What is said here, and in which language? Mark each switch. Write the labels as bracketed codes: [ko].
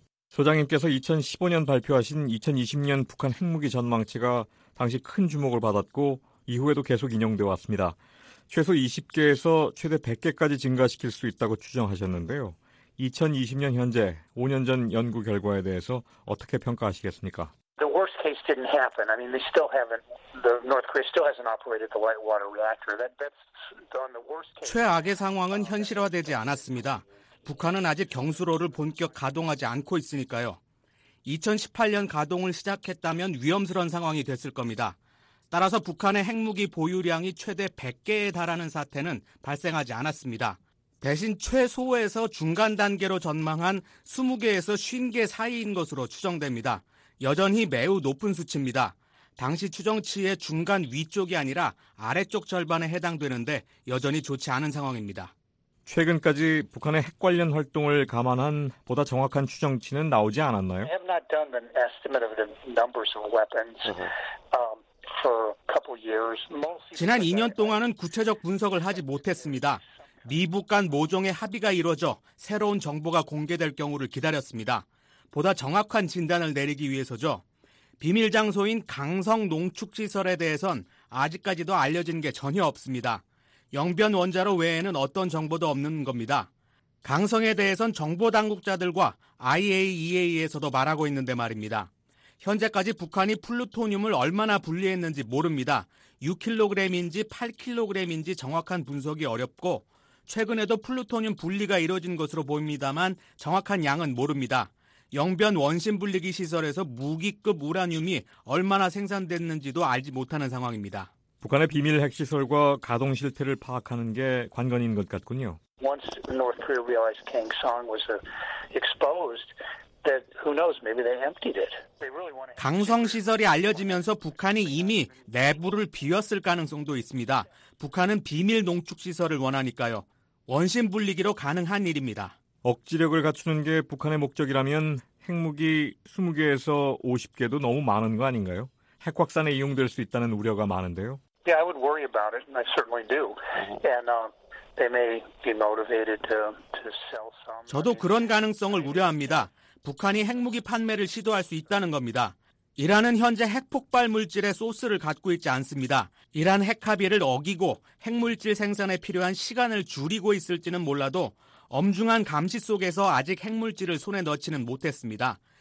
[ko] 소장님께서 2015년 발표하신 2020년 북한 핵무기 전망치가 당시 큰 주목을 받았고 이후에도 계속 인용돼 왔습니다. 최소 20개에서 최대 100개까지 증가시킬 수 있다고 추정하셨는데요. 2020년 현재 5년 전 연구 결과에 대해서 어떻게 평가하시겠습니까? [en] The worst case didn't happen. I mean, they still haven't. The North Korea still hasn't operated the light water reactor. That's done the worst case. [ko] 최악의 상황은 현실화되지 않았습니다. 북한은 아직 경수로를 본격 가동하지 않고 있으니까요. 2018년 가동을 시작했다면 위험스러운 상황이 됐을 겁니다. 따라서 북한의 핵무기 보유량이 최대 100개에 달하는 사태는 발생하지 않았습니다. 대신 최소에서 중간 단계로 전망한 20개에서 50개 사이인 것으로 추정됩니다. 여전히 매우 높은 수치입니다. 당시 추정치의 중간 위쪽이 아니라 아래쪽 절반에 해당되는데 여전히 좋지 않은 상황입니다. 최근까지 북한의 핵 관련 활동을 감안한 보다 정확한 추정치는 나오지 않았나요? [en] I have not done an estimate of the numbers of weapons for a couple years. [ko] 지난 2년 동안은 구체적 분석을 하지 못했습니다. 미북 간 모종의 합의가 이루어져 새로운 정보가 공개될 경우를 기다렸습니다. 보다 정확한 진단을 내리기 위해서죠. 비밀 장소인 강성 농축시설에 대해선 아직까지도 알려진 게 전혀 없습니다. 영변 원자로 외에는 어떤 정보도 없는 겁니다. 강성에 대해선 정보 당국자들과 IAEA에서도 말하고 있는데 말입니다. 현재까지 북한이 플루토늄을 얼마나 분리했는지 모릅니다. 6kg인지 8kg인지 정확한 분석이 어렵고 최근에도 플루토늄 분리가 이루어진 것으로 보입니다만 정확한 양은 모릅니다. 영변 원심 분리기 시설에서 무기급 우라늄이 얼마나 생산됐는지도 알지 못하는 상황입니다. 북한의 비밀 핵시설과 가동 실태를 파악하는 게 관건인 것 같군요. [en] Once North Korea realized Kangsong was exposed, that who knows, maybe they emptied it. They really want to. [ko] 강성 시설이 알려지면서 북한이 이미 내부를 비웠을 가능성도 있습니다. 북한은 비밀 농축 시설을 원하니까요. 원심 분리기로 가능한 일입니다. 억지력을 갖추는 게 북한의 목적이라면 핵무기 20개에서 50개도 너무 많은 거 아닌가요? 핵 확산에 이용될 수 있다는 우려가 많은데요. [en] Yeah, I would worry about it, and I certainly do. And they may be motivated to sell some. [ko] 저도 그런 가능성을 우려합니다. 북한이 핵무기 판매를 시도할 수 있다는 겁니다. 이란은 현재 핵폭발 물질의 소스를 갖고 있지 않습니다. 이란 핵합의를 어기고 핵물질 생산에 필요한 시간을 줄이고 있을지는 몰라도 엄중한 감시 속에서 아직 핵물질을 손에 넣지는 못했습니다.